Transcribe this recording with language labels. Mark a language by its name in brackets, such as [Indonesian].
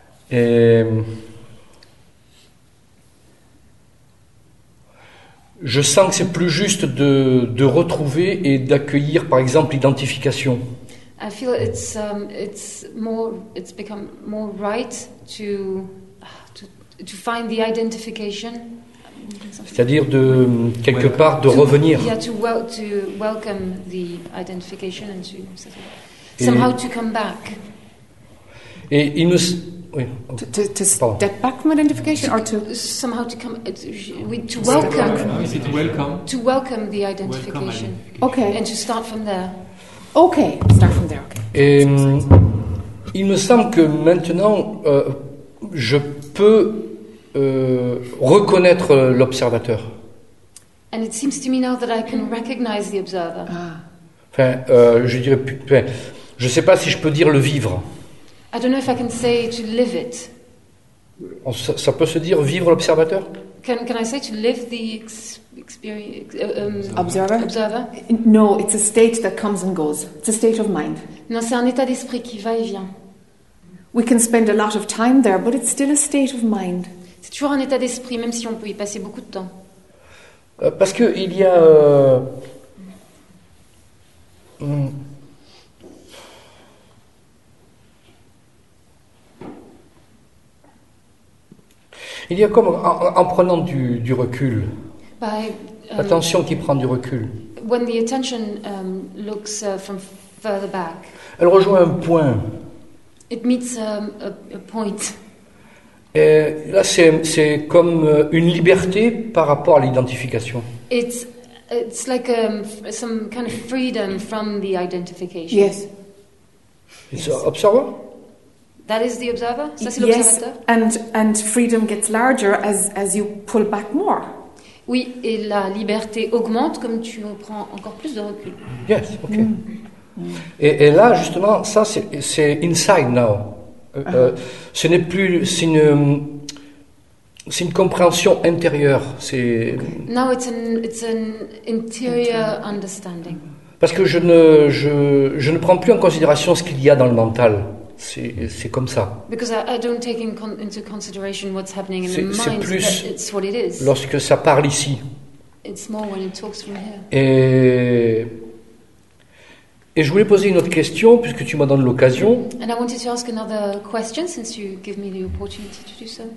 [French] Et je sens que c'est plus juste de retrouver et d'accueillir, par exemple, l'identification. [English] I feel it's become more right to find the identification. [French] C'est-à-dire de quelque part de revenir. [English] Yeah, to welcome the identification and to somehow to come back. [French] Et il me [English] To step back from identification, or to somehow to come to welcome. Is it welcome? To welcome the identification. Okay. And to start from there. Okay. Start from there. Okay. [French] Et il me semble que maintenant je peux reconnaître l'observateur. [English] And it seems to me now that I can recognize the observer. Ah. [French] Enfin, je dirais, je ne sais pas si je peux dire le vivre. [English] I don't know if I can say to live it. [French] Ça peut se dire vivre l'observateur? [English] Can I say to live the experience? Observer. Observer. No, it's a state that comes and goes. It's a state of mind. [French] Non, c'est un état d'esprit qui va et vient. [English] We can spend a lot of time there, but it's still a state of mind. [French] C'est toujours un état d'esprit, même si on peut y passer beaucoup de temps. Parce que il y a. Il y a comme en prenant du recul, l'attention qui prend du recul. [English] When the attention looks from further back. [French] Elle rejoint un point. [English] It meets a point. [French] Et là, c'est comme une liberté par rapport à l'identification. [English] It's like some kind of freedom from the identification. Yes. It's yes. Observer. That is the observer. [French] Ça, c'est [English] yes, and freedom gets larger as you pull back more. [French] Oui, et la liberté augmente comme tu prends encore plus de recul. [English] Yes, okay. [French] Et là, justement, ça c'est [English] inside now. [French] Ce n'est plus c'est une compréhension intérieure. C'est [English] okay. Now it's an interior understanding. [French] Parce que je ne prends plus en considération ce qu'il y a dans le mental. C'est comme ça. [English] Because I don't take into consideration what's happening in the mind. [French] C'est plus [English] it's what it is. [French] Lorsque ça parle ici. [English] It's more when it talks from here. [French] Et je voulais poser une autre question puisque tu m'as donné l'occasion. [English] And I wanted to ask another question since you give me the opportunity to do so.